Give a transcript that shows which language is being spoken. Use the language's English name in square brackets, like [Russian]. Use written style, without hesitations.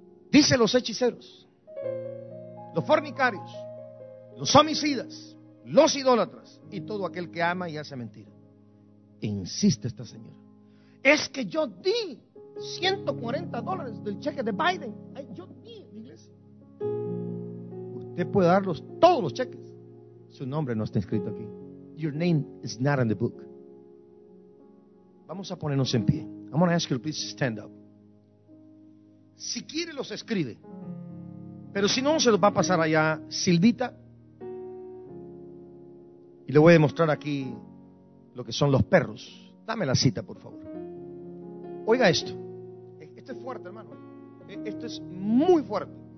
[Spanish] Dice los hechiceros, los fornicarios, los homicidas, los idólatras y todo aquel que ama y hace mentira. Insiste esta señora. Es que yo di $140 del cheque de Biden. Yo di, mi iglesia. Usted puede dar todos los cheques. Su nombre no está escrito aquí. [English] Your name is not in the book. [Spanish] Vamos a ponernos en pie. [English] I'm going to ask you to please stand up. [Spanish] Si quiere los escribe, pero si no se los va a pasar allá Silvita, y le voy a demostrar aquí lo que son los perros. Dame la cita, por favor. Oiga esto, esto es fuerte, hermano, esto es muy fuerte.